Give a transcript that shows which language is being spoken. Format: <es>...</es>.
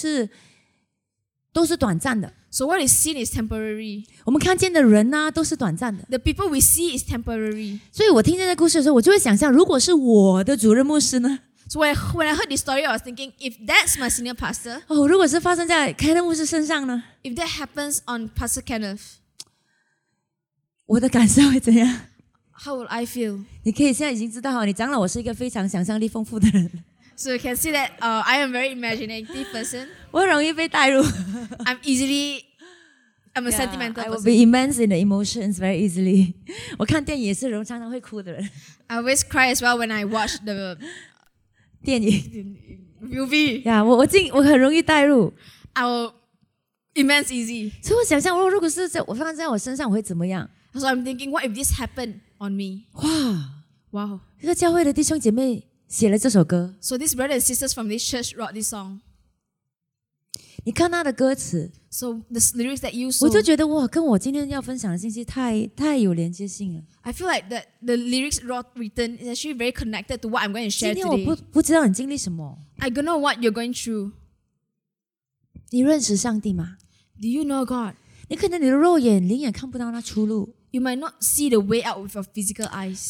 <zh>我在想，如果有一天，你看，我知道我们看见东西是都是短暂的。</zh> <en>So what is seen is temporary.</en> <zh>我们看见的人都是短暂的。</zh> <en>The people we see is temporary.</en> <zh>所以我听见这故事的时候，我就会想象，如果是我的主任牧师呢？</zh> <en>So when I heard this story, I was thinking, if that's my senior pastor.</en> <zh>如果是发生在Kenneth牧师身上呢？</zh> <en>If that happens on Pastor Kenneth,</en> <zh>我的感受会怎样？</zh> <en>How would I feel?</en> <zh>你可以现在已经知道，你长老我是一个非常想象力丰富的人。</zh> <en>So you can see that I am a very imaginative person.</en> <zh>我很容易被带入。</zh> <en>I'm easily, I'm a sentimental person. I will be immense in the emotions very easily.</en> <zh>我看电影也是常常会哭的人。</zh> <en>I always cry as well when I watch the</en> <zh>电影</zh> <en>movie.</en> <zh>Yeah, 我很容易带入。</zh> <en>I will immense easy.</en> <zh>所以我想象，如果是我放在我身上，我会怎么样？</zh> <en>So I'm thinking, what if this happened on me?</en> <zh>哇，哇！</zh> <en>Wow.</en> <zh>这个教会的弟兄姐妹。写了这首歌。</zh> <en>So these brothers and sisters from this church wrote this song.</en> <zh>你看他的歌词。</zh> <en>So the lyrics that you saw.</en> <zh>我就觉得哇，跟我今天要分享的信息太有连接性了。</zh> <en>I feel like that the lyrics written is actually very connected to what I'm going to share today.</en> <zh>今天我不知道你经历什么。</zh> <en>I don't know what you're going through.</en> <zh>你认识上帝吗？</zh> <en>Do you know God?</en> <zh>你可能你的肉眼、灵眼看不到那出路。</zh> <en>You might not see the way out with your physical eyes.</en>